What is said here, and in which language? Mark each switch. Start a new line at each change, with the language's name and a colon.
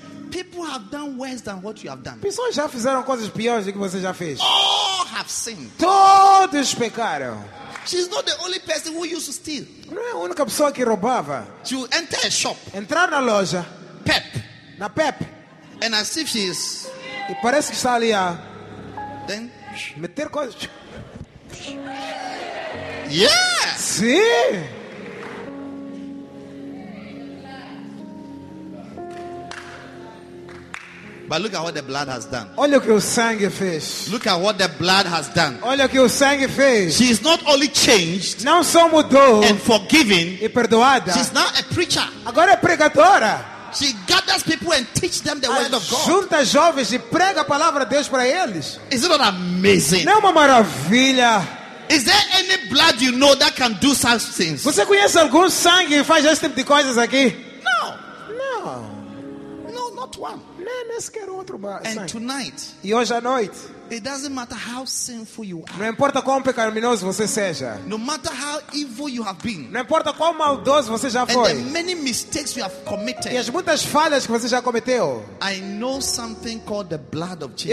English: people have done worse than what you have done.
Portuguese: Pessoas já fizeram coisas piores do que você já fez.
English: All have sinned.
Portuguese: Todos pecaram.
English: She's not the only person who used to steal.
Portuguese: Não é a única pessoa que roubava.
English: To enter a shop.
Portuguese: Entrar na loja. Pep. Na Pep.
English: And as if she is.
Portuguese: E parece que está ali a.
English: Then.
Portuguese: Meter coisas.
English: Yes.
Portuguese: Sim.
English: But look at what the blood has done.
Portuguese: Olha o que o sangue fez.
English: Look at what the blood has done.
Portuguese: Olha o que o sangue fez.
English: She is not only changed.
Portuguese: Não só mudou.
English: And forgiven.
Portuguese: E perdoada.
English: She's now a preacher.
Portuguese: Agora é pregadora.
English: She gathers people and teaches them the word of God.
Portuguese: Junta jovens e prega a palavra de Deus para eles.
English: Is it not amazing?
Portuguese: Não é uma maravilha?
English: Is there any blood you know that can do such things?
Portuguese: Você conhece algum sangue que faz esse tipo de coisas aqui?
English: No. No. No, not one.
Portuguese: Nem sequer outro sangue.
English: And tonight.
Portuguese: E hoje à noite.
English: It doesn't matter how sinful you are.
Portuguese: Não importa quão pecaminoso você seja.
English: No matter how evil you have been.
Portuguese: Não importa quão maldoso você já foi.
English: And the many mistakes you have committed.
Portuguese: E as muitas falhas que você já cometeu.
English: I know something called the blood of Jesus.